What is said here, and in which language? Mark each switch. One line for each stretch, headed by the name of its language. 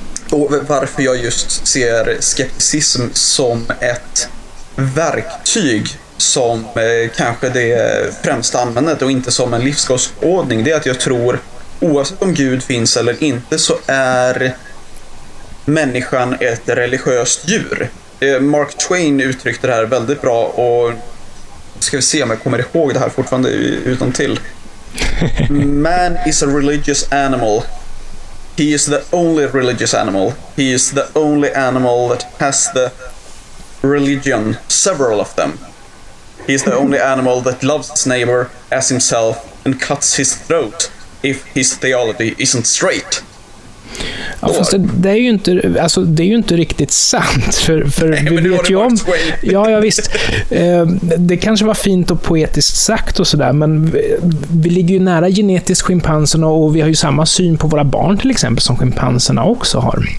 Swedish: Och varför jag just ser skepticism som ett verktyg som kanske det främsta användandet och inte som en livsåskådning, det är att jag tror, oavsett om Gud finns eller inte, så är människan ett religiöst djur. Mark Twain uttryckte det här väldigt bra, och ska vi se om jag kommer ihåg det här fortfarande utan till.
English: Man is a religious animal. He is the only religious animal. He is the only animal that has the religion, several of them. He is the only animal that loves his neighbor as himself and cuts his throat if his theology isn't straight.
Swedish: Ja, fast det är ju inte, alltså, det är ju inte riktigt sant, för nej, vi vet ju om Twain. Ja, visst, det kanske var fint och poetiskt sagt och sådär, men vi ligger ju nära genetiskt schimpanserna, och vi har ju samma syn på våra barn till exempel som schimpanserna också har.